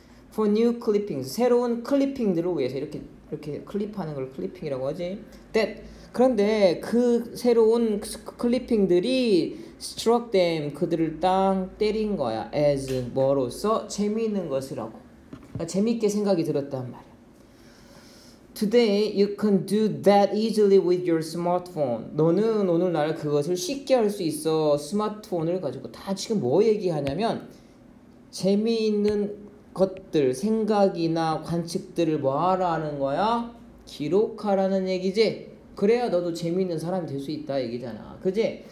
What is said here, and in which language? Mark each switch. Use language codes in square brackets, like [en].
[en] For new clippings [ko] 새로운 클리핑들을 위해서 이렇게 클립하는 걸 클리핑이라고 하지. That 그런데 그 새로운 클리핑들이 [en] struck them [ko] 그들을 땅 때린 거야. As 뭐로서 재미있는 것이라고. 그러니까 재미있게 생각이 들었단 말이야. [en] Today you can do that easily with your smartphone. [ko] 너는 오늘날 그것을 쉽게 할 수 있어. 스마트폰을 가지고 다 지금 뭐 얘기하냐면 재미있는 것들, 생각이나 관측들을 뭐하라는 거야? 기록하라는 얘기지. 그래야 너도 재미있는 사람이 될 수 있다 얘기잖아. 그지?